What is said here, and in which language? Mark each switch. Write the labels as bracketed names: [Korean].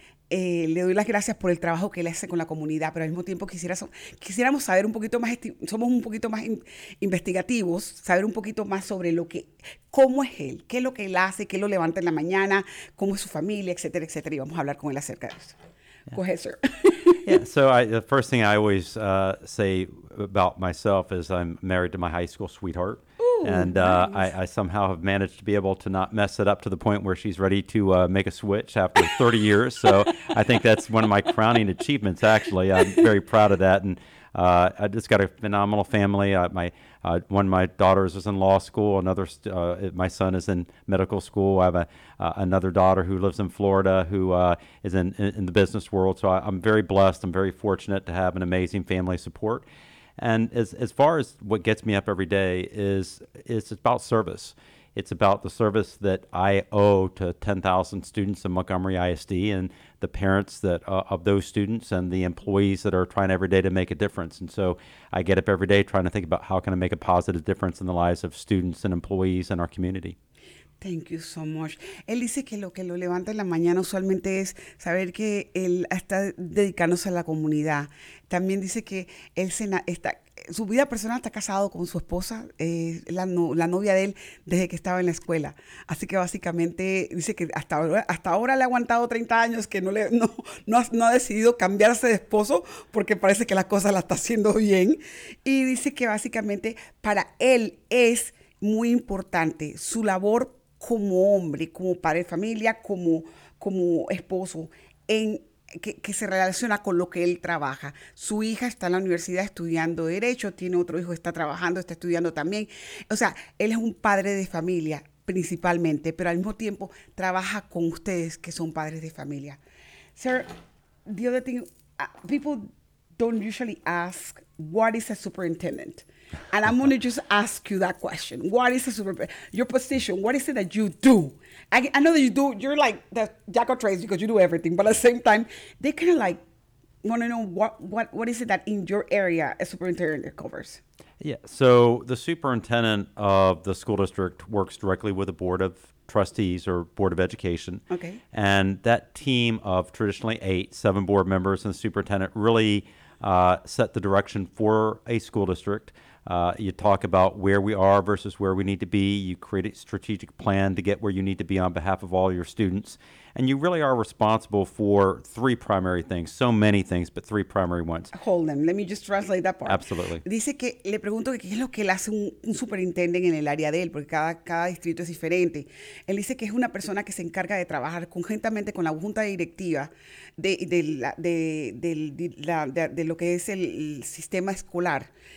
[Spanish] le doy las gracias por el trabajo que él hace con la comunidad, pero al mismo tiempo quisiéramos saber un poquito más, somos un poquito más investigativos, saber un poquito más sobre lo que, cómo es él, qué es lo que él hace, qué lo levanta en la mañana, cómo es su familia, etcétera, etcétera, y vamos a hablar con él acerca de eso. [English] Yeah. Go ahead, sir. The first thing I always say about myself is I'm married to my high school sweetheart. And I somehow have managed to be able to not mess it up to the point where she's ready to make a switch after 30 years. So I think that's one of my crowning achievements, actually. I'm very proud of that. And I just got a phenomenal family. One of my daughters is in law school. My son is in medical school. I have another daughter who lives in Florida who is in the business world. So I'm very blessed. I'm very fortunate to have an amazing family support. And as far as what gets me up every day is, it's about service. It's about the service that I owe to 10,000 students in Montgomery ISD and the parents that of those students and the employees that are trying every day to make a difference. And so I get up every day trying to think about how can I make a positive difference in the lives of students and employees in our community. Thank you so much. [Spanish] Él dice que lo levanta en la mañana usualmente es saber que él está dedicándose a la comunidad. También dice que él su vida personal está casado con su esposa, la novia de él desde que estaba en la escuela. Así que básicamente dice que hasta ahora le ha aguantado 30 años, que no ha decidido cambiarse de esposo porque parece que la cosa la está haciendo bien. Y dice que básicamente para él es muy importante su labor como hombre, como padre de familia, como esposo, que se relaciona con lo que él trabaja. Su hija está en la universidad estudiando Derecho, tiene otro hijo, está trabajando, está estudiando también. O sea, él es un padre de familia principalmente, pero al mismo tiempo trabaja con ustedes que son padres de familia. [English] Sir, the other thing, people don't usually ask, what is a superintendent? And I'm going to just ask you that question. What is your position? What is it that you do? I know that you do, you're like the jack of trades because you do everything. But at the same time, they kind of like want to know what is it that in your area a superintendent covers? Yeah, so the superintendent of the school district works directly with the Board of Trustees or Board of Education. Okay. And that team of traditionally seven board members and the superintendent really set the direction for a school district. You talk about where we are versus where we need to be. You create a strategic plan to get where you need to be on behalf of all your students. And you really are responsible for three primary things. So many things, but three primary ones. Hold on. Let me just translate that part. Absolutely. [Spanish] Dice que le pregunto que qué es lo que él hace un superintendente en el área de él, porque cada distrito es diferente. Él dice que es una persona que se encarga de trabajar conjuntamente con la junta directiva de lo que es el sistema escolar.